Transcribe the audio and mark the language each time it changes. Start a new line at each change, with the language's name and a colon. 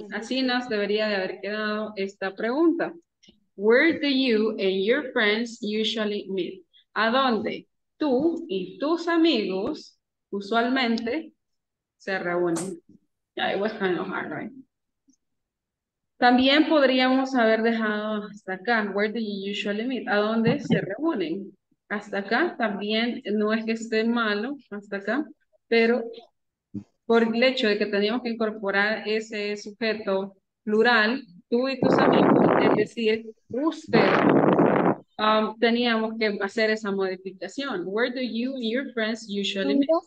Spanish: Así nos debería de haber quedado esta pregunta.
English: Where do you and your friends usually meet?
Spanish: ¿A dónde tú y tus amigos usualmente se reúnen?
English: Yeah, it was kind of hard, right?
Spanish: También podríamos haber dejado hasta acá.
English: Where do you usually meet?
Spanish: ¿A dónde se reúnen? Hasta acá también no es que esté malo, hasta acá, pero por el hecho de que teníamos que incorporar ese sujeto plural, tú y tus amigos, es decir, usted, teníamos que hacer esa modificación.
English: Where do you and your friends usually meet?